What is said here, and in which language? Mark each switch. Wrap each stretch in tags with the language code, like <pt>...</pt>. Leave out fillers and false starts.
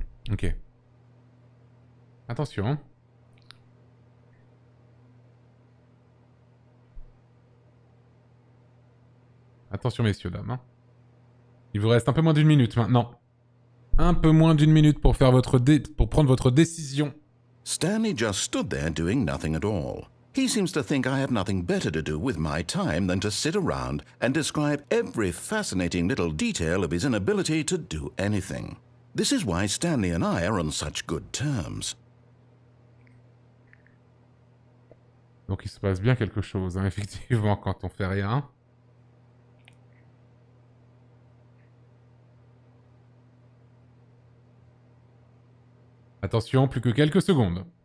<fr>Ok. Attention. Attention messieurs, dames. Hein. Il vous reste un peu moins d'une minute maintenant. Un peu moins d'une minute pour faire votre pour prendre votre décision.</fr> <en>Stanley just stood there doing nothing at all. He seems to think I have nothing better to do with my time than to sit around and describe every fascinating little detail of his inability to do anything. This is why Stanley and I are on such good terms.</en> <fr>Donc il se passe bien quelque chose, hein, effectivement, quand on fait rien. Attention, plus que quelques secondes.</fr>